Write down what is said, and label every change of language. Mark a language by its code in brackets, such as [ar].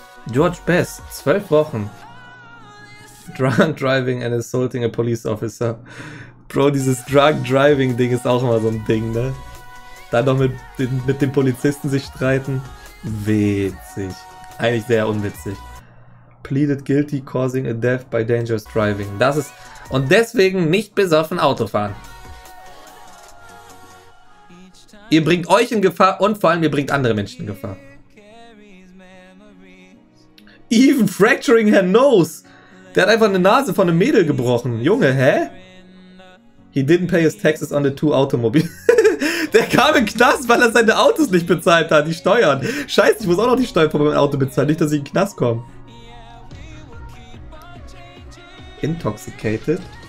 [en] George Best, [de] 12 Wochen, [en] drunk driving and assaulting a police officer. [de] Bro, dieses Drug-Driving-Ding ist auch immer so ein Ding, ne? Dann noch mit den Polizisten sich streiten. Witzig. Eigentlich sehr unwitzig. [en] Pleaded guilty causing a death by dangerous driving. [de] Das ist... Und deswegen nicht besoffen Autofahren. Ihr bringt euch in Gefahr und vor allem ihr bringt andere Menschen in Gefahr. [en] Even fracturing her nose. [de] Der hat einfach eine Nase von einem Mädel gebrochen. Junge, hä? [en] He didn't pay his taxes on the two automobiles. [de] Der kam in Knast, weil er seine Autos nicht bezahlt hat, die Steuern. Scheiße, ich muss auch noch die Steuern von meinem Auto bezahlen, nicht, dass ich in Knast komme. [en] Intoxicated.